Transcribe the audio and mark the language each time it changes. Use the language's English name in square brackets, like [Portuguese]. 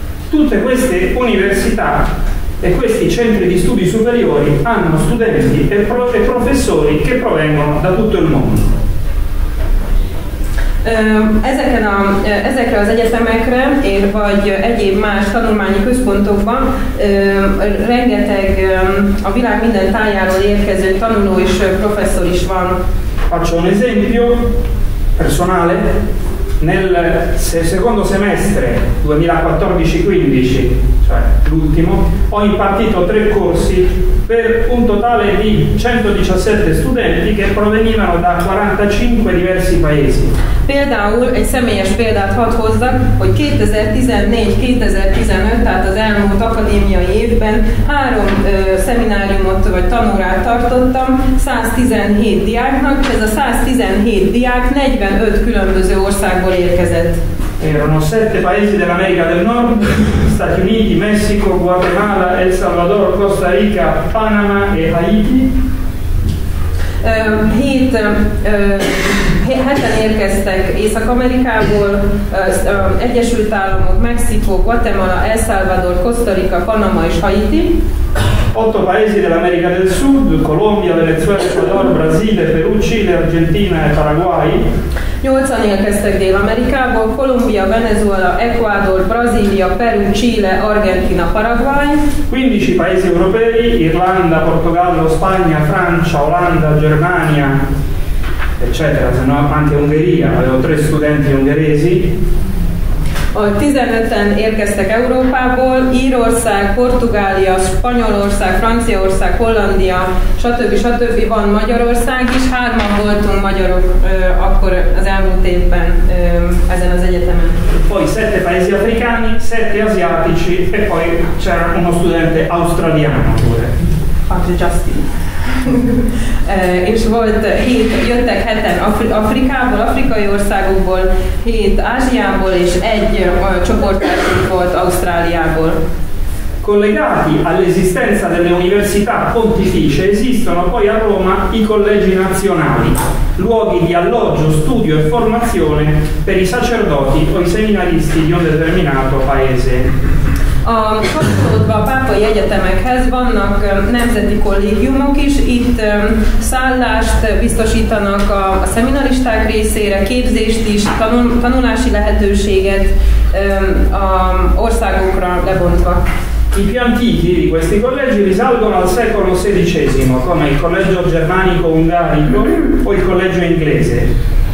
[Italian] Tutte queste università e questi centri di studi superiori hanno studenti e professori che provengono da tutto il mondo. [Hungarian] Ezekre az egyetemekre vagy egyéb más tanulmányi központokban rengeteg a világ minden tájáról érkező tanuló és professzor is van. [Italian] Faccio un esempio personale. Nel secondo semestre 2014-15, cioè l'ultimo, ho impartito 3 corsi per un totale di 117 studenti che provenivano da 45 diversi paesi. [Hungarian] Például egy személyes példát hadd hozzak, hogy 2014-2015, tehát az elmúlt akadémiai évben 3 szemináriumot vagy tanórát tartottam 117 diáknak, ez a 117 diák 45 különböző országból érkezett. [Italian] erano 7 paesi dell'America del Nord, Stati Uniti, Messico, Guatemala, El Salvador, Costa Rica, Panama e Haiti. [Hungarian] 7 érkeztek Észak-Amerikából, Egyesült Államok, Mexikó, Guatemala, El Salvador, Costa Rica, Panama és Haiti. [Italian] 8 paesi dell'America del Sud, Colombia, Venezuela, Ecuador, Brasile, Perù, Cile, Argentina e Paraguay. [Hungarian] 8 érkeztek Dél-Amerikából, Colombia, Venezuela, Ecuador, Brasília, Perù, Cile, Argentina, Paraguay. [Italian] 15 paesi europei, Irlanda, Portogallo, Spagna, Francia, Olanda, Germania, eccetera, se no anche Ungheria, avevo 3 studenti ungheresi. [Hungarian] 15-en érkeztek Európából, Írország, Portugália, Spanyolország, Franciaország, Hollandia, stb. Stb. Van Magyarország is, 3-an voltunk magyarok akkor az elmúlt évben ezen az egyetemen. [Italian] Poi 7 paesi africani, 7 asiatici e poi c'era uno studente australiano pure. Patrick Justin. [Hungarian] És volt 7, jöttek 7 Afrikából, afrikai országokból, 7 Ázsiából és 1 csoportosunk volt Ausztráliából. [Italian] Collegati all'esistenza delle università pontificie esistono poi a Roma i collegi nazionali, luoghi di alloggio, studio e formazione per i sacerdoti o i seminaristi di un determinato paese. [Hungarian] A kapcsolódva a pápai egyetemekhez vannak nemzeti kollégiumok is, itt szállást biztosítanak a szeminaristák részére, képzést is, tanulási lehetőséget a országokra lebontva. [Italian] I più antichi di questi collegi risalgono al secolo XVI, come il collegio germanico-ungarico o il collegio inglese.